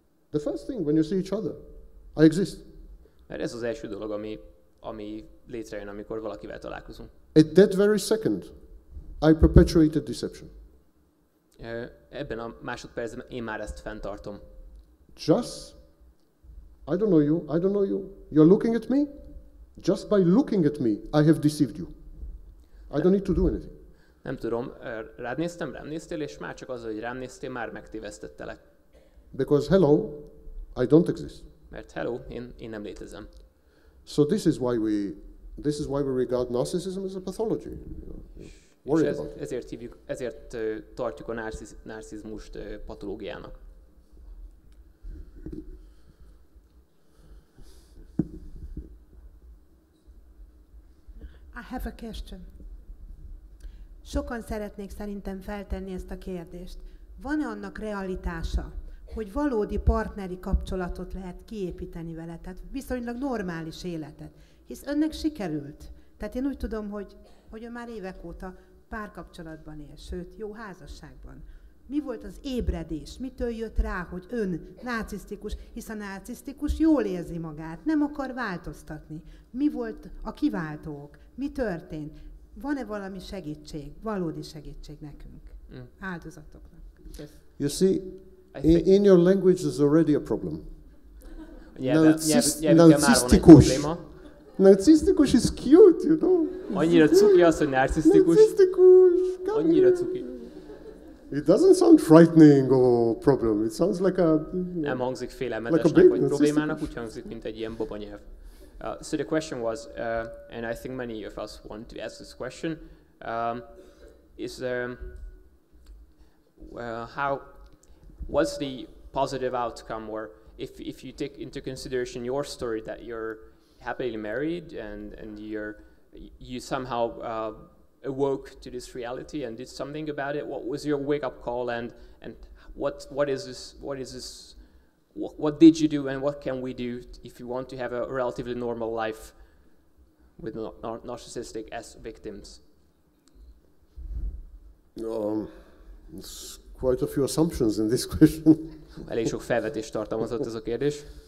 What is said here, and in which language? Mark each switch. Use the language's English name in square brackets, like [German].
[English] The first thing when you see each other, I exist. [Hungarian] Mert ez az első dolog, ami létrejön, amikor valakivel találkozunk. [English] At that very second, I perpetuate a deception. [Hungarian] Ebben a másodpercben én már ezt fenntartom. [English] Just, I don't know you. You're looking at me. Just by looking at me, I have deceived you. I don't need to do anything. [Hungarian] Nem tudom, rád néztem, rám néztél, és már csak az, hogy rám néztél, már megtévesztettelek. [English] Because hello, I don't exist. [Hungarian] Mert hello, én nem létezem. [English] So this is why we regard narcissism as a pathology. Worry about it. [Hungarian] Ezért tartjuk a narcizmust patológiának. [English] I have a question. [Hungarian] Sokan szeretnék szerintem feltenni ezt a kérdést. Van-e annak realitása, hogy valódi partneri kapcsolatot lehet kiépíteni vele, tehát viszonylag normális életet? Hisz önnek sikerült. Tehát én úgy tudom, hogy ön már évek óta párkapcsolatban él, sőt, jó házasságban. Mi volt az ébredés? Mitől jött rá, hogy ön narcisztikus, hisz a narcisztikus jól érzi magát, nem akar változtatni. Mi volt a kiváltó ok? Mi történt? Van-e valami segítség, valódi segítség nekünk, áldozatoknak? [English] You see, in your language there's already a problem. [Hungarian] Narcisztikus. [English] Narcisztikus is cute, you know? [Hungarian] Annyira cuki az, hogy narcisztikus. Narcisztikus, annyira cuki. [English] It doesn't sound frightening or problem. It sounds like a [Hungarian] nem hangzik félelmetesnek vagy problémának, úgy hangzik, mint egy ilyen baba nyelv. [English] So the question was, and I think many of us want to ask this question, is there, how was the positive outcome, or if you take into consideration your story that you're happily married and you somehow awoke to this reality and did something about it, what was your wake up call and what did you do and what can we do if you want to have a relatively normal life with narcissistic as victims? There's quite a few assumptions in this question. [Hungarian] Elég sok felvetés tartalmazott ez a kérdés.